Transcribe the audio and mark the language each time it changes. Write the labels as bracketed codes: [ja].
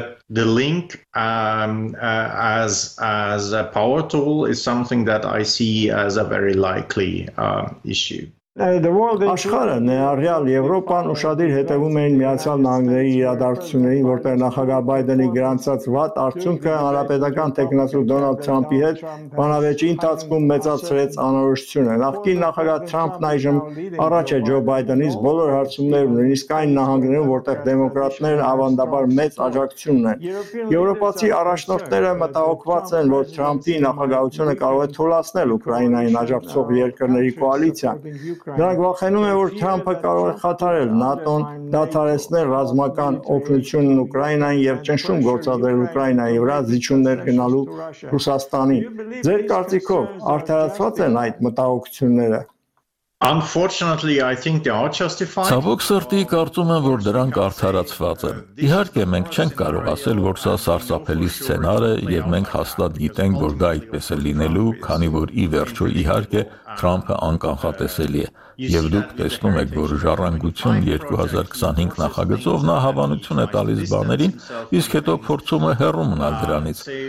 [en] The link as a power tool is something that I see as a very likely issue. The world is [hy] աշխարհը, ներառյալ Եվրոպան, ուշադիր հետևում էին Միացյալ Նահանգների իրադարձությունների, որտեղ նախագահ Բայդենի գրանցած վատ արդյունքը հանրապետական տեխնոսու Դոնալդ Թրամփի հետ բանավեճի ընթացքում մեծացրեց անորոշությունը։ Նախկին նախագահ Թրամփն այժմ առաջ է Ջո Բայդենից բոլոր հարցումներում, նույնիսկ այն նահանգներում, որտեղ դեմոկրատները ավանդաբար մեծ աջակցություն են։ Եվրոպացի առաջնորդները մտահոգված են, որ Թրամփի նախագահությունը կարող է թուլացնել Ուկրաինային աջակցող երկրների կոալիցիան։ Նրանք վախենում են, որ Թրամփը կարող է խաթարել ՆԱՏՕ-ն, դադարեցնել ռազմական օգնությունն Ուկրաինային և ճնշում գործադրել Ուկրաինայի վրա զիջումներ գնալու Ռուսաստանին։ Ձեր կարծիքով արդարացված են այդ մտահոգությունները։ [en] Unfortunately, I think they are justified. [hy] Ցավոք սրտի կարծում եմ, որ դրանք արդարացված են։ Իհարկե, մենք չենք կարող ասել, որ սա սարսափելի սցենար է, և մենք հաստատ գիտենք, որ դա այդպես է լինելու, քանի որ ի վերջո, իհարկե, Թրամփը անկանխատեսելի է։ Եվ դուք տեսնում եք, որ ժառանգություն 2025 նախագծով նա հավանություն է տալիս բաներին, իսկ հետո փորձում է հեռու մնալ դրանից։